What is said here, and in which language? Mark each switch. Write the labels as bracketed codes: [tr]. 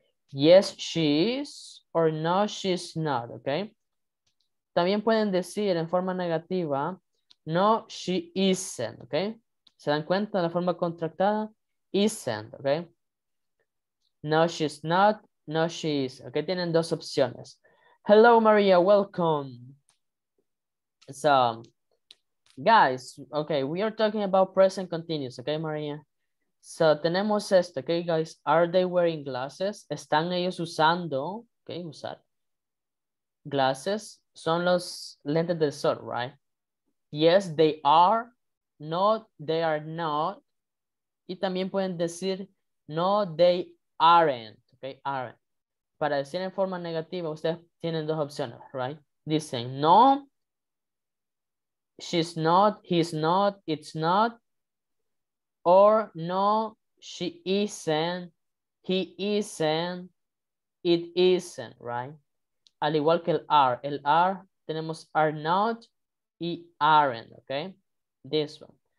[en] Yes, she is or no, she's not, okay? [es] También pueden decir en forma negativa, [en] no, she isn't, [es] okay? ¿Se dan cuenta de la forma contractada? Isn't, okay? [en] No, she's not, no, she is, okay? [es] Tienen dos opciones. [en] Hello, Maria, welcome. So, guys, okay, we are talking about present continuous, okay, Maria? So, [es] tenemos esto, [en] okay, guys. Are they wearing glasses? [es] ¿Están ellos usando? Okay, usar. Glasses. Son los lentes del sol, right? [en] Yes, they are. No, they are not. [es] Y también pueden decir, [en] no, they aren't. Okay, aren't. [es] Para decir en forma negativa, ustedes tienen dos opciones, right? Dicen, [en] no, she's not, he's not, it's not. Or, no, she isn't, he isn't, it isn't, right? [es] Al igual que el are, tenemos are not y aren't, okay? [en] This one.